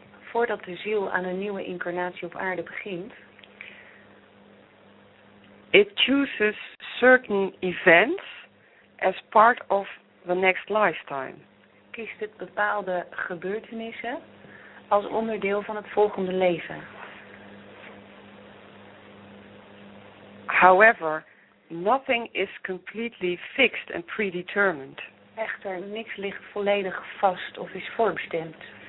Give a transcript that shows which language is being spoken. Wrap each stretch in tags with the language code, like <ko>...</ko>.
<nl>voordat de ziel aan een nieuwe incarnatie op aarde begint,</nl> <en>it chooses certain events as part of the next lifetime.</en> <nl>Kiest het bepaalde gebeurtenissen als onderdeel van het volgende leven.</nl> <en>However, nothing is completely fixed and predetermined.</en> <nl>Echter, niks ligt volledig vast of is voorbestemd.</nl>